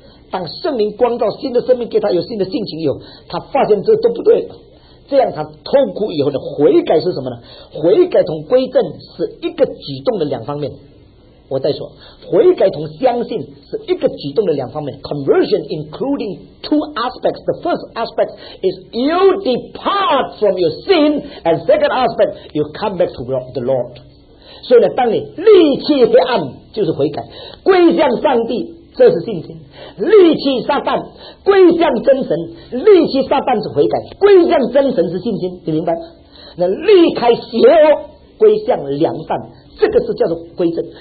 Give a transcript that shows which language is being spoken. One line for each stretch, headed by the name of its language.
Chinese: 当圣灵光照新的生命给他，有新的性情以后，他发现这都不对，这样他痛苦以后的悔改是什么呢？悔改同归正是一个举动的两方面。我再说，悔改同相信是一个举动的两方面。
English: Conversion including two aspects. The first aspect is you depart from your sin, and second aspect you come back to the Lord.
Chinese: 所以呢，当你力气黑暗，就是悔改，归向上帝，这是信心。力气撒旦，归向真神，力气撒旦是悔改，归向真神是信心，你明白？那离开邪恶，归向良善，这个是叫做归正。